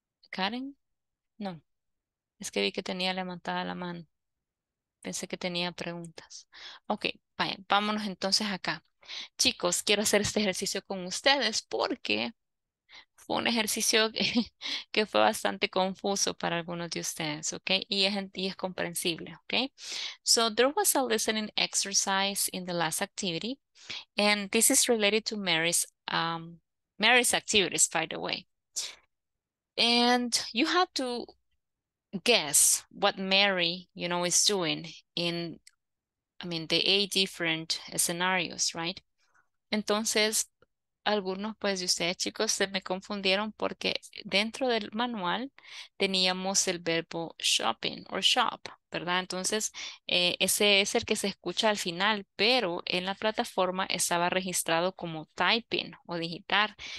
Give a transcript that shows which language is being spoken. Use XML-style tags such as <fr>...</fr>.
<es>Karen. No, es que vi que tenía levantada la mano. Pensé que tenía preguntas. Ok, vaya, vámonos entonces acá. Chicos, quiero hacer este ejercicio con ustedes porque fue un ejercicio que fue bastante confuso para algunos de ustedes, ok? Y es comprensible, ok?</es> <en>So there was a listening exercise in the last activity, and this is related to Mary's activities, by the way. And you have to guess what Mary, you know, is doing in, I mean, the 8 different scenarios, right?</en> <es>Entonces, algunos pues de ustedes, chicos, se me confundieron porque dentro del manual teníamos el verbo</es> <en>shopping or shop,</en> <es>¿verdad? Entonces, ese es el que se escucha al final, pero en la plataforma estaba registrado como typing o digitar.</es>